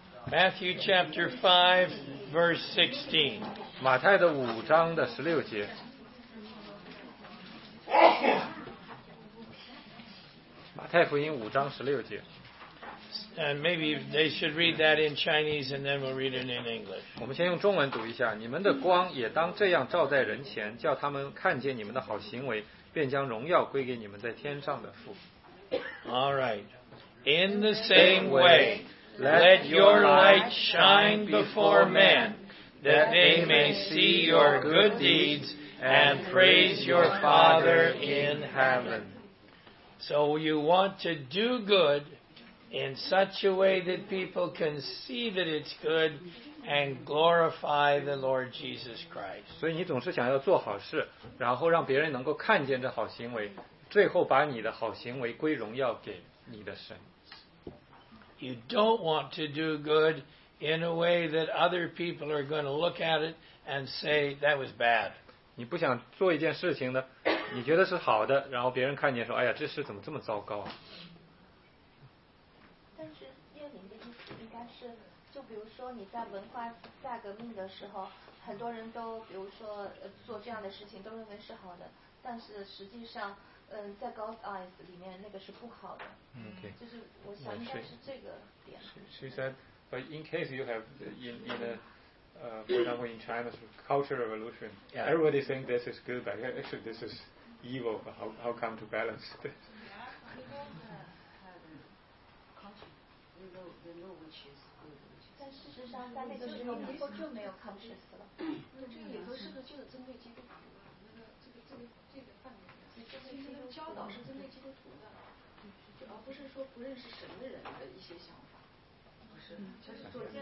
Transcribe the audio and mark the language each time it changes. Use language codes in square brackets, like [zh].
[en] Matthew chapter 5, verse 16. [zh] 马太的五章的十六节。马太福音五章十六节。 [en] And maybe they should read that in Chinese and then we'll read it in English. [zh] 我们先用中文读一下，你们的光也当这样照在人前，叫他们看见你们的好行为，便将荣耀归给你们在天上的父。 [en] All right. In the same way, let your light shine before men, that they may see your good deeds and praise your Father in heaven. So you want to do good in such a way that people can see that it's good and glorify the Lord Jesus Christ. [zh] 所以你总是想要做好事，然后让别人能够看见这好行为，最后把你的好行为归荣耀给你的神。 [en] You don't want to do good in a way that other people are going to look at it and say that was bad. [zh] 你不想做一件事情呢，你觉得是好的，然后别人看见说，哎呀，这事怎么这么糟糕啊？但是要你的意思应该是，就比如说你在文化大革命的时候，很多人都比如说做这样的事情都认为是好的，但是实际上在 [en] God's eyes [zh] 里面那个是不好的。 [en] Okay. [zh] 就是我想应该是这个点。 [en] She said, but in case you have in a for example in China's cultural revolution, yeah. Everybody think this is good, but actually this is evil, but how come to balance this? Yeah, people